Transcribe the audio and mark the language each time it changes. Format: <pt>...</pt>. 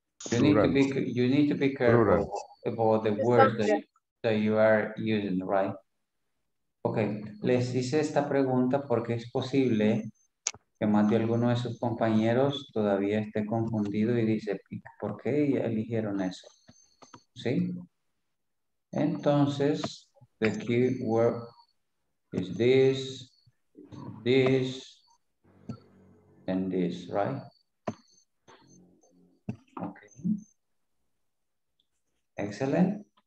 <en>You need to be careful about the words that you are using, right? Okay.</en> <es>Les hice esta pregunta porque es posible que más de alguno de sus compañeros todavía esté confundido y dice, ¿por qué eligieron eso? ¿Sí?</es> <en>Entonces, the key word is this, and this, right? Okay. Excellent.</en>